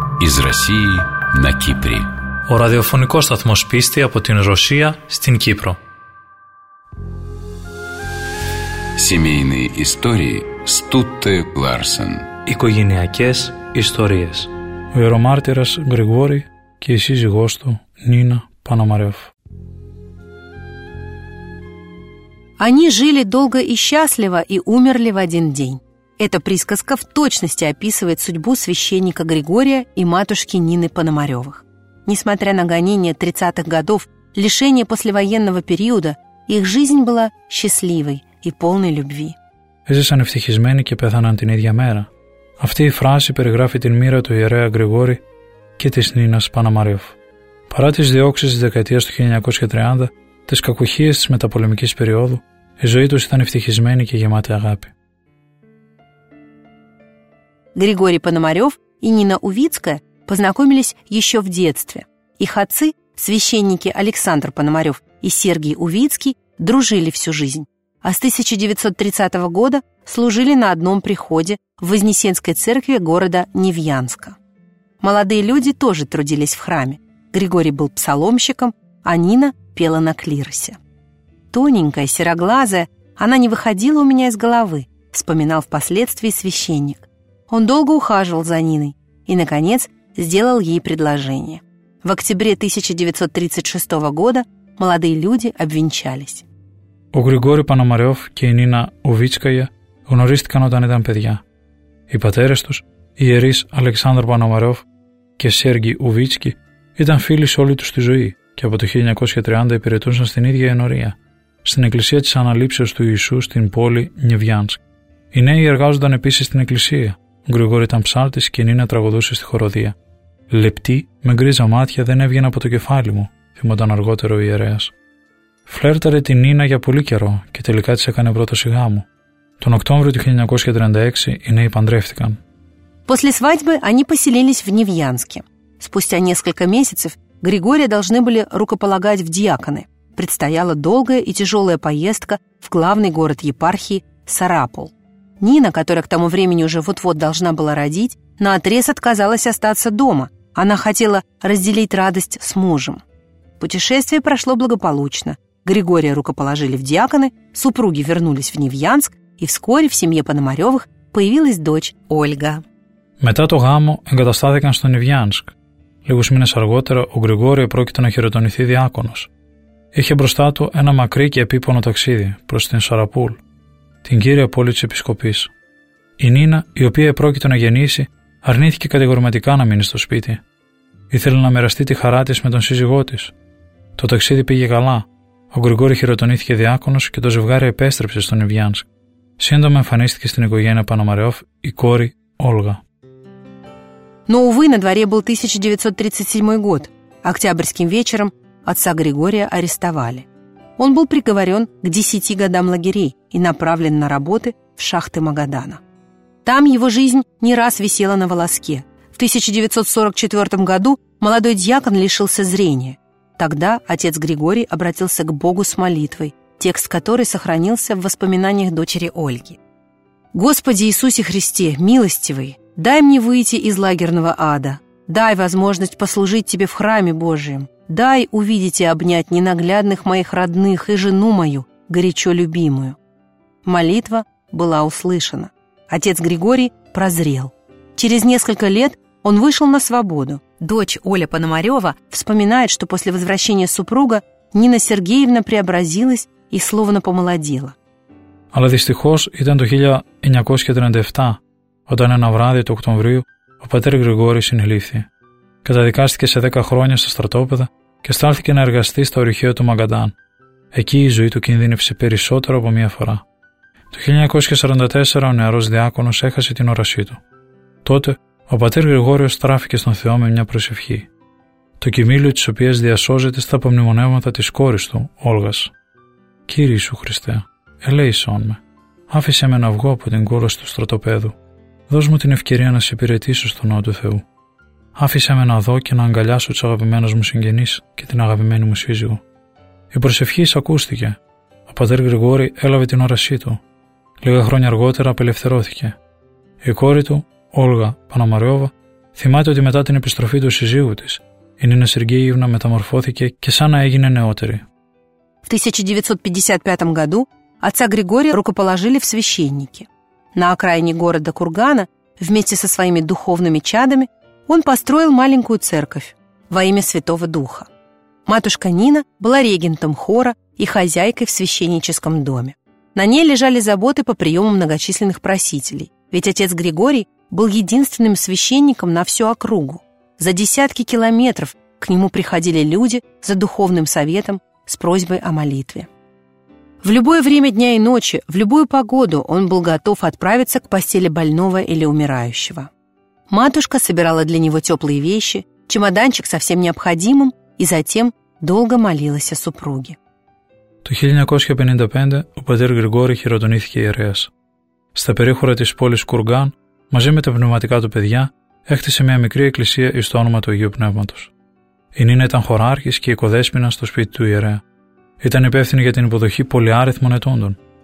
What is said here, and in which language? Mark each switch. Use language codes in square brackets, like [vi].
[ru] Из России на Кύπρο. [el] Ο ραδιοφωνικός σταθμός πίστη από την Ρωσία στην Κύπρο. [ru] Семейные истории Стутте Ларсен. [el] Οικογενειακές ιστορίες. Ο ιερομάρτυρας Γρηγόρη και η σύζυγός του Νίνα Πανομαρεύ. [ru] Они жили долго и счастливо и умерли в один день. Эта присказка в точности описывает судьбу священника Григория и матушки Нины Пономаревых. Несмотря на гонения 30-х годов, лишение послевоенного периода, их жизнь была счастливой и полной любви. [el] Έζησαν ευτυχισμένοι και πέθαναν την ίδια μέρα. Αυτή η φράση περιγράφει την μοίρα του ιερέα Γρηγόρη και της Νίνας Πανομαρεύ. Παρά τις διώξεις της δεκαετίας του 1930, τις κακουχίες της μεταπολεμικής περίοδου, η ζωή τους ήταν ευτυχισμένη και γεμάτη αγάπη. [ru] Григорий Пономарев и Нина Увицкая познакомились еще в детстве. Их отцы, священники Александр Пономарев и Сергей Увицкий, дружили всю жизнь, а с 1930 года служили на одном приходе в Вознесенской церкви города Невьянска. Молодые люди тоже трудились в храме. Григорий был псаломщиком, а Нина – пела на клиросе. «Тоненькая, сероглазая, она не выходила у меня из головы», вспоминал впоследствии священник. Он долго ухаживал за Ниной и, наконец, сделал ей предложение. В октябре 1936 года молодые люди обвенчались. [el] Ο Γρηγόρη Πανομαρεώφ και η Νίνα Ουβίτσκαγια γνωρίστηκαν όταν ήταν παιδιά. Οι πατέρες τους, οι ιερείς Αλεξάνδρο Πανομαρεώφ και Σέργη Ουβίτσκι, ήταν φίλοι σε όλη τους τη ζωή και από το 1930 υπηρετούσαν στην ίδια ενορία, στην εκκλησία της Αναλήψεως του Ιησού στην πόλη Νιβιάνσκ. Οι νέοι εργάζονταν επίσης στην εκκλησία. Ο Γρηγόρη ήταν ψάλτης και η Νίνα τραγουδούσε στη χοροδία. «Λεπτή, με γκρίζα μάτια δεν έβγαινε από το κεφάλι μου», θυμόταν αργότερο ο ιερέας. Φλέρταρε την Νίνα για πολύ καιρό και τελικά της έκανε πρόταση γάμου. Τον Οκτώβριο του 1936 οι νέοι παντρεύτηκαν. [ru] После свадьбы они поселились в Невьянске. Спустя несколько месяцев Григория должны были рукополагать в диаконы. Предстояла долгая и тяжелая поездка в главный город епархии Сарапул. Нина, которая к тому времени уже вот-вот должна была родить, наотрез отказалась остаться дома. Она хотела разделить радость с мужем. Путешествие прошло благополучно. Григория рукоположили в диаконы, супруги вернулись в Невьянск, и вскоре в семье Пономарёвых появилась дочь Ольга. [el] Μετά το γάμο εγκαταστάθηκαν στο Невьянск. Λίγους μήνες αργότερα ο Γρηγόριο πρόκειται να χειροτονηθεί διάκονος. Είχε μπροστά του ένα μακρύ και επίπονο ταξίδι προς την Σαραπούλ, την κύρια πόλη της Επισκοπής. Η Νίνα, η οποία επρόκειτο να γεννήσει, αρνήθηκε κατηγορηματικά να μείνει στο σπίτι. Ήθελε να μοιραστεί τη χαρά της με τον σύζυγό της. Το ταξίδι πήγε καλά. Ο Γρηγόρη χειροτονήθηκε διάκονος και το ζευγάρι επέστρεψε στο Νιβιάνσκ. Σύντομα εμφανίστηκε στην οικογένεια Πανομαρεώφ η κόρη Όλγα. [ru] Но, увы, на дворе был 1937 год. Октябрьским вечером отца Григория арестовали. Он был приговорен к 10 годам лагерей и направлен на работы в шахты Магадана. Там его жизнь не раз висела на волоске. В 1944 году молодой диакон лишился зрения. Тогда отец Григорий обратился к Богу с молитвой, текст которой сохранился в воспоминаниях дочери Ольги. «Господи Иисусе Христе, милостивый! Дай мне выйти из лагерного ада. Дай возможность послужить Тебе в храме Божьем. Дай увидеть и обнять ненаглядных моих родных и жену мою, горячо любимую». Молитва была услышана. Отец Григорий прозрел. Через несколько лет он вышел на свободу. Дочь Оля Пономарева вспоминает, что после возвращения супруга Нина Сергеевна преобразилась и словно помолодела. [el] Но, дистихос, ήταν το 1937. Όταν ένα βράδυ του Οκτωβρίου ο πατέρ Γρηγόρη συνελήφθη. Καταδικάστηκε σε 10 χρόνια στα στρατόπεδα και στάλθηκε να εργαστεί στο ορυχείο του Μαγκαντάν. Εκεί η ζωή του κινδύνευσε περισσότερο από μία φορά. Το 1944 ο νεαρός διάκονος έχασε την όρασή του. Τότε ο πατέρ Γρηγόριος στράφηκε στον Θεό με μια προσευχή. Το κειμήλιο της οποίας διασώζεται στα απομνημονεύματα της κόρης του, Όλγας. «Κύριε Ιησού Χριστέ, ελέησόν με. Άφησε με να βγω από την κόλαση του στρατοπέδου. Δώσ' μου την ευκαιρία να σε υπηρετήσω στον Ναό του Θεού. Άφησε με να δω και να αγκαλιάσω τους αγαπημένους μου συγγενείς και την αγαπημένη μου σύζυγο». Η προσευχή εισακούστηκε. Ο πατέρ Γρηγόρη έλαβε την όρασή του. Λίγα χρόνια αργότερα απελευθερώθηκε. Η κόρη του, Όλγα Πανομαρεώβα, θυμάται ότι μετά την επιστροφή του σύζυγου της, η Νίνα Σεργέιευνα μεταμορφώθηκε και σαν να έγινε νεότερη. [ru] В 1955 году отца Григория рукоположили в священники. На окраине города Кургана, вместе со своими духовными чадами, он построил маленькую церковь во имя Святого Духа. Матушка Нина была регентом хора и хозяйкой в священническом доме. На ней лежали заботы по приему многочисленных просителей, ведь отец Григорий был единственным священником на всю округу. За десятки километров к нему приходили люди за духовным советом с просьбой о молитве. В любое время дня и ночи, в любую погоду он был готов отправиться к постели больного или умирающего. Матушка собирала для него теплые вещи, чемоданчик со всем необходимым и затем долго молилась о супруге. [el] Το 1955 ο πατήρ Γρηγόρη χειροτονήθηκε ιερέας. Στα περίχωρα της πόλης Κουργάν, μαζί με τα πνευματικά του παιδιά, έκτισε μια μικρή εκκλησία εις το όνομα του Αγίου Πνεύματος. Η Νίνα ήταν χωράρχης και οικοδέσποινα στο σπίτι του ιερέα. Ήταν υπεύθυνη για την υποδοχή πολυάριθμων ετώντων.